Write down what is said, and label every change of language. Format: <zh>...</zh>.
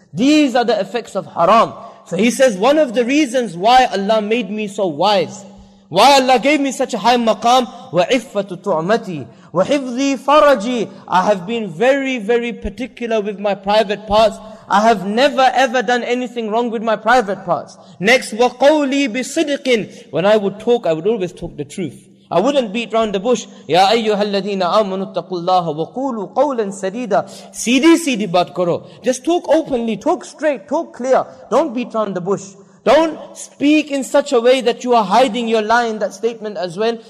<en>These are the effects of haram. So he says, one of the reasons why Allah made me so wise, why Allah gave me such a high maqam,</en> <ar>وَعِفَّةُ تُعْمَتِي وَحِفْظِي فَرَجِي.</ar> <en>I have been very, very particular with my private parts. I have never ever done anything wrong with my private parts. Next,</en> <ar>وَقَوْلِي بِصِدِقٍ.</ar> <en>When I would talk, I would always talk the truth. I wouldn't beat around the bush.</en> <ar>Ya ayyuhal ladheena amanu taqullaha wa qulu qawlan sadida.</ar> <ur>Seedhi seedhi baat karo.</ur> <en>Just talk openly, talk straight, talk clear. Don't beat around the bush. Don't speak in such a way that you are hiding your lie in that statement as well.</en>